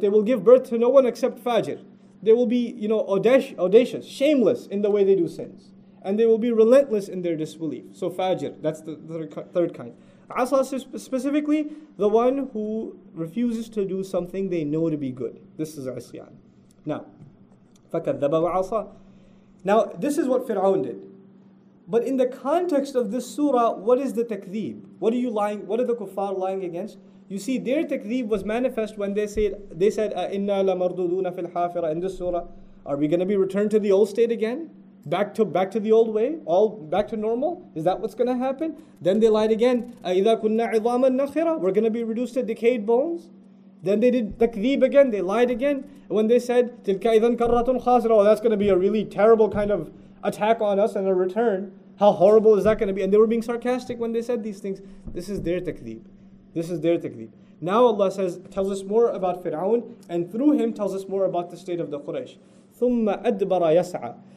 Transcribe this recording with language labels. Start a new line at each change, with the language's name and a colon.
English: They will give birth to no one except fajr. They will be, you know, audacious, shameless in the way they do sins. And they will be relentless in their disbelief. So fajr, that's the third kind. Asa is specifically the one who refuses to do something they know to be good. This is isyan.
Arabic: Now, فَكَذَّبَ وَعَصَى.
English: Now, this is what Fir'aun did. But in the context of this surah, what is the takdeeb? What are the kuffar lying against? You see, their takdeeb was manifest when they said,
Arabic: إِنَّا لَمَرْدُدُونَ فِي الْحَافِرَةِ
English: in this surah. Are we going to be returned to the old state again? Back to the old way, all back to normal? Is that what's going to happen? Then they lied again.
Arabic: إِذَا كُنَّا عِظَامًا نَخِرًا.
English: We're going to be reduced to decayed bones. Then they did takdeeb again, they lied again. When they said,
Arabic: تِلْكَ إِذَنْ كَرَّةٌ خَاسِرًا.
English: Oh, that's going to be a really terrible kind of attack on us and a return. How horrible is that going to be? And they were being sarcastic when they said these things. This is their takdeeb. This is their takdeeb. Now Allah says, tells us more about Fir'aun, and through him tells us more about the state of the Quraysh.
Arabic: ثُمَّ أَدْبَرَ يَسْعَى.